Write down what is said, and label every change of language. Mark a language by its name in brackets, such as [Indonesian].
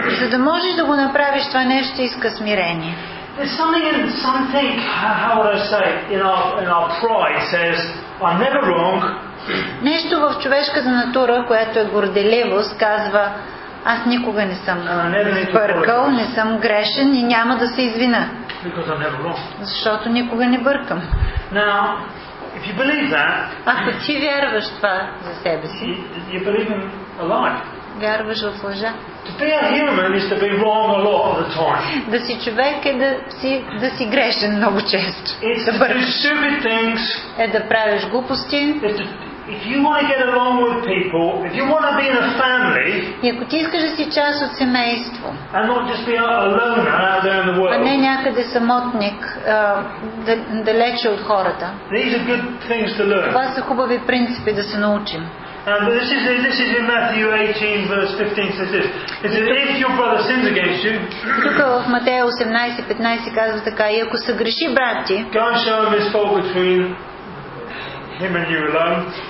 [Bulgarian] За да можеш да го направиш това нещо, иска смирение. [English] There's something in something, how would I say, in our pride says, I'm never wrong. [Bulgarian] Нещо в човешката натура, която е горделивост, казва, аз никога не съм бъркал, не съм грешен и няма да се извина. Защото никога не бъркам. [English] Now, if you believe that, [Bulgarian] ако ти вярваш това за себе си, [English] you believe in a lie. [Bulgarian] Вярваш в лъжа. [English] To be a human is to be wrong a lot of the time. [Bulgarian] Да си човек е да си грешен много често. [English] It's to do stupid things. [Bulgarian] Е да правиш глупости. [English] If you want to get along with people, if you want to be in a family, [Bulgarian] и ако ти искаш да си част от семейство, [English] and not just be a loner out there in the world, [Bulgarian] а не някъде самотник, далече от хората, [English] these are good things to learn. [Bulgarian] Това са хубави принципи да се научим. [English] This is in Matthew 18:15 says this. It says, if your brother sins against you, [Bulgarian] тук в Матея 18:15 казва така, и ако съгреши брат ти, [English] go and show him his fault between him and you alone.